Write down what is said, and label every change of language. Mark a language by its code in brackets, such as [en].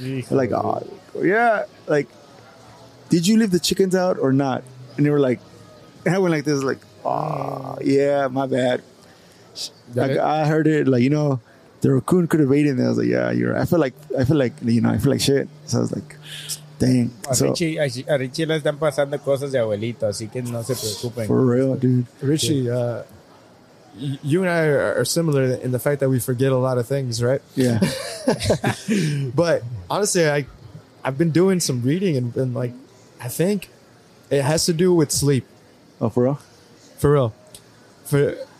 [en] Like, oh, yeah. Like, did you leave the chickens out or not? And they were like, and I went like this, like, oh, yeah, my bad. I heard it, like, you know. The raccoon could have eaten it. I was like, yeah, you're right. I feel like shit. So I was like, dang. [es] A Richie le están pasando cosas de abuelito, así que no se preocupen. [en] For real, dude. Richie, you and I are similar in the fact that we forget a lot of things, right? Yeah. But honestly, I've been doing some reading and been like, I think it has to do with sleep. Oh, for real? For real.